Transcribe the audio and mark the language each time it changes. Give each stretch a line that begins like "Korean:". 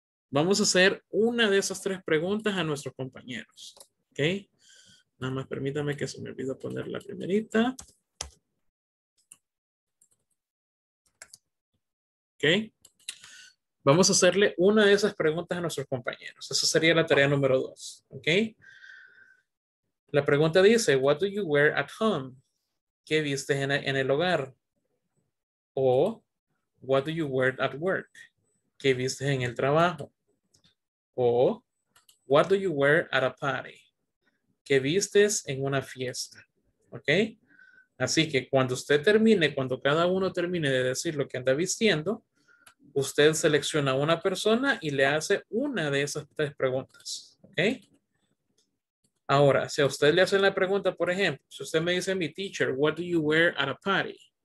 Spanish: Vamos a hacer una de esas tres preguntas a nuestros compañeros, ¿ok? Nada más permítame que se me olvidó poner la primerita. Ok. Vamos a hacerle una de esas preguntas a nuestros compañeros. Esa sería la tarea número dos. Ok. La pregunta dice,
English: what do you wear at home?
Spanish: ¿Qué vistes en el hogar? O,
English: what do you wear at work?
Spanish: ¿Qué vistes en el trabajo?
English: O, what do you wear at a party?
Spanish: ¿Qué vistes en una fiesta? ¿Ok? Así que cuando usted termine, cuando cada uno termine de decir lo que anda vistiendo, usted selecciona a una persona y le hace una de esas tres preguntas. ¿Ok? Ahora, si a usted le hacen la pregunta, por ejemplo, si usted me dice a mi teacher,
English: what do you wear at a party?